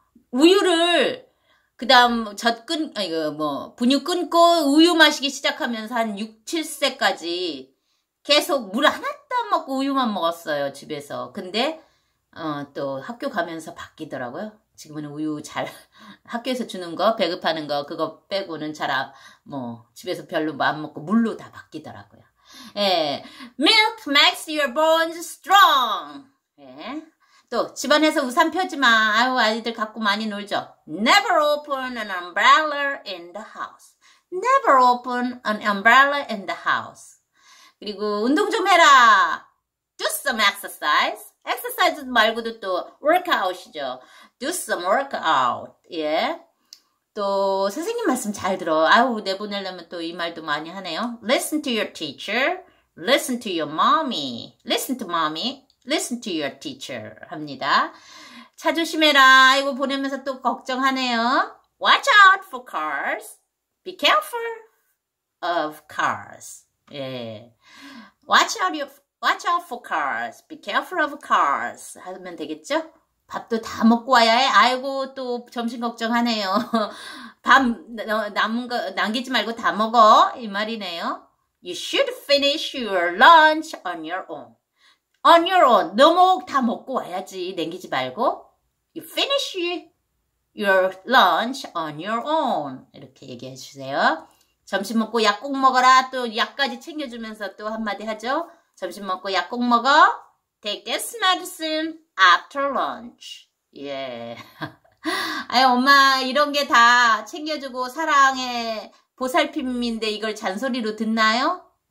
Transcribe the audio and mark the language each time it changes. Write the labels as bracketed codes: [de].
[ko] 우유를 그다음 젖끊 아이고 뭐 분유 끊고 우유 마시기 시작하면서 한 6, 7세까지 계속 물 하나도 안 먹고 우유만 먹었어요, 집에서. 근데 또 학교 가면서 바뀌더라고요. 지금은 우유 잘 학교에서 주는 거 배급하는 거 그거 빼고는 잘 뭐 집에서 별로 안 먹고 물로 다 바뀌더라고요. [en] 예, milk makes your bones strong. [ko] 예, 또 집안에서 우산 펴지 마. 아유, 아이들 갖고 많이 놀죠. [en] Never open an umbrella in the house. Never open an umbrella in the house. [ko] 그리고 운동 좀 해라. [en] Do some exercise. [ko] Exercise 말고도 또 workout이죠. [en] Do some workout. [ko] 예. 또 선생님 말씀 잘 들어. 아우, 내보내려면 또 이 말도 많이 하네요. [en] Listen to your teacher. Listen to your mommy. Listen to mommy. Listen to your teacher. [ko] 합니다. 차 조심해라. 아이고, 보내면서 또 걱정하네요. [en] Watch out for cars. Be careful of cars. 예. Watch out for cars. Be careful of cars. [ko] 하면 되겠죠? 밥도 다 먹고 와야 해. 아이고, 또 점심 걱정하네요. 밥 남은 거 남기지 말고 다 먹어. 이 말이네요. [en] You should finish your lunch on your own. On your own. [ko] 너 먹 다 먹고 와야지. 남기지 말고. [en] You finish your lunch on your own. [ko] 이렇게 얘기해 주세요. 점심 먹고 약 꼭 먹어라. 또 약까지 챙겨주면서 또 한마디 하죠. 점심 먹고 약 꼭 먹어. [en] Take this medicine after lunch. [ko] 예. 아유, 엄마 이런 게 다 챙겨주고 사랑의 보살핌인데 이걸 잔소리로 듣나요?